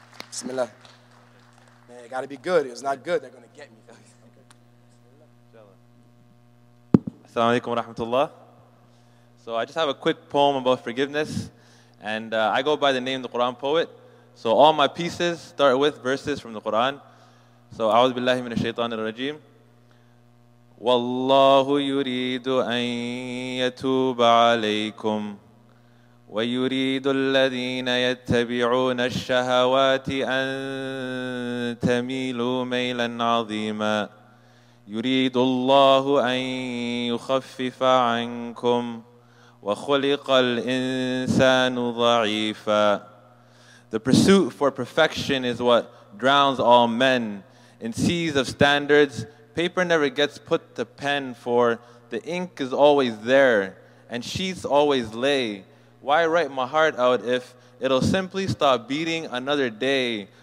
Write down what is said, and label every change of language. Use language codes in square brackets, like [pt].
[en] Bismillah. Man, it got to be good. If it's not good, they're going to get me. Assalamu alaikum wa rahmatullah. So I just have a quick poem about forgiveness. And I go by the name of the Quran poet. So all my pieces start with verses from the Quran. [ar] So أعوذ بالله من الشيطان الرجيم. والله يريد أن يتوب عليكم ويريد الذين يتبعون الشهوات أن تميلوا ميلا عظيما يريد الله أن يخفف عنكم وخلق الإنسان ضعيفا. [en] The pursuit for perfection is what drowns all men in seas of standards. Paper never gets put to pen, for the ink is always there and sheets always lay. Why write my heart out if it'll simply stop beating another day?